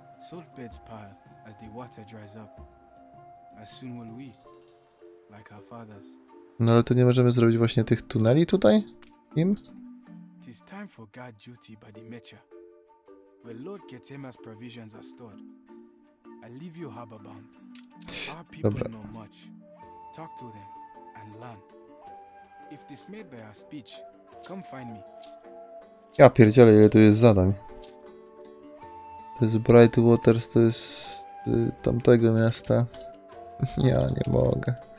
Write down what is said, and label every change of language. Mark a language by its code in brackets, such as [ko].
[en] Salt beds pile as the water dries up. As soon will we, like our fathers. [pl] No ale to nie możemy zrobić właśnie tych tuneli tutaj? Im? [en] It is time for guard duty by the Mecha. Where Lord Ketema's provisions are stored. I leave you harbor bound. Our people know much. Talk to them and learn. If dismayed by our speech, come find me. [pl] Ja pierdzielę, ile tu jest zadań. To jest Bright Waters, to jest tamtego miasta. Ja nie mogę.